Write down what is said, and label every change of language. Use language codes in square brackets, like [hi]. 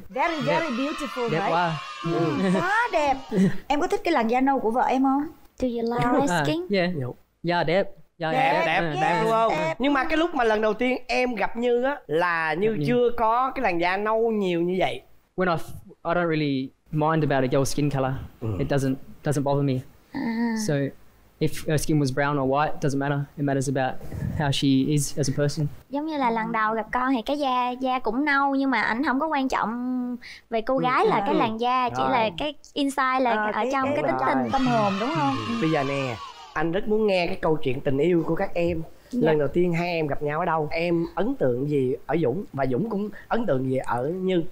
[en] Very, very beautiful, [vi] đẹp [en] right? [vi] Quá. Quá đẹp. Em có thích cái làn da nâu của vợ em không? [en] Do you like my skin? [vi] Yeah. Da đẹp. Dạ, đẹp đúng không? Đẹp. Nhưng mà cái lúc mà lần đầu tiên em gặp Như á là Như chưa có cái làn da nâu nhiều như vậy. [en] When I don't really mind about your skin color. It doesn't bother me. So if her skin was brown or white, doesn't matter. It matters about how she is as a person. [vi] Giống như là lần đầu gặp con thì cái da cũng nâu nhưng mà ảnh không có quan trọng về cô gái là cái làn da, chỉ là cái inside là ở trong cái tính tình tâm hồn đúng không? Bây giờ nè, anh rất muốn nghe cái câu chuyện tình yêu của các em. Dạ. Lần đầu tiên hai em gặp nhau ở đâu? Em ấn tượng gì ở Dũng và Dũng cũng ấn tượng gì ở Như?